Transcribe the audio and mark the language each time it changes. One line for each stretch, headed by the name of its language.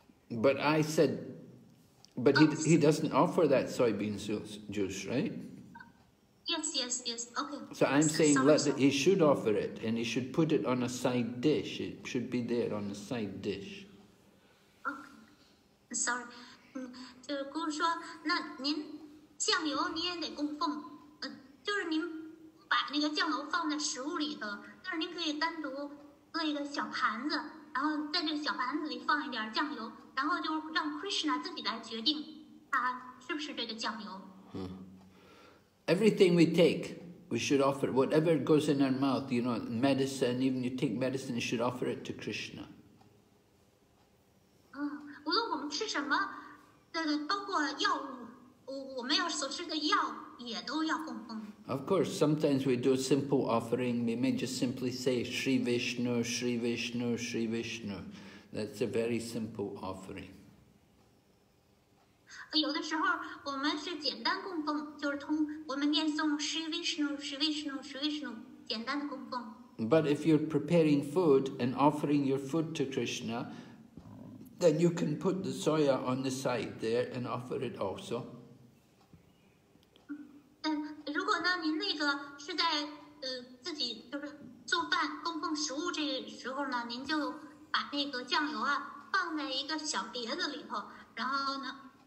English: But I said, but he doesn't offer that soybean juice, right? Yes, okay. So I'm saying he should offer it, and he should put it on a side dish. It should be there on a side dish. Okay, sorry.
Chinese: 就是姑说，那您酱油你也得供奉，就是您把那个酱油放在食物里头，但是您可以单独做一个小盘子，然后在这个小盘子里放一点酱油，然后就让 Krishna 自己来决定他是不是这个酱油。
English: Everything we take, we should offer. Whatever goes in our mouth, you know, medicine, even you take medicine, you should offer it to Krishna.
Chinese: 无论我们吃什么，包括药物，我们要所吃的药也都要供奉。
English: Of course, sometimes we do a simple offering. We may just simply say, Sri Vishnu, Sri Vishnu, Sri Vishnu. That's a very simple offering.
Chinese: 有的时候我们是简单供奉，就是通我们念诵 Shri Vishnu, Shri Vishnu, Shri Vishnu, 简单的供奉。
English: But if you're preparing food and offering your food to Krishna, then you can put the soya on the side there and offer it also.
Chinese: 嗯，如果呢，您那个是在自己就是做饭供奉食物这时候呢，您就把那个酱油啊放在一个小碟子里头，然后呢。